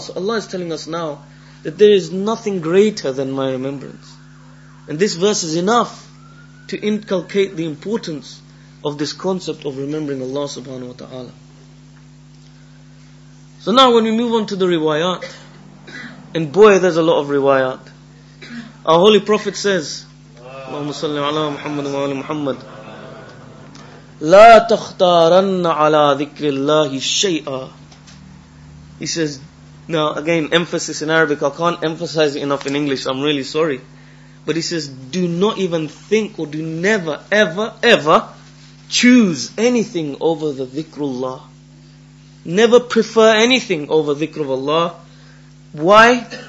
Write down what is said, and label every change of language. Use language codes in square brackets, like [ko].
[en] So Allah is telling us now that there is nothing greater than my remembrance. And this verse is enough to inculcate the importance of this concept of remembering Allah subhanahu wa ta'ala. So now when we move on to the riwayat, and boy, there's a lot of riwayat. Our Holy Prophet says, [ar] اللهم صل على محمد وعلى محمد لا تختارن على ذكر الله شيئا. [en] He says, now again, emphasis in Arabic, I can't emphasize it enough in English, I'm really sorry. But he says, do not even think or do never, ever, ever choose anything over the dhikrullah. Never prefer anything over dhikr of Allah. Why?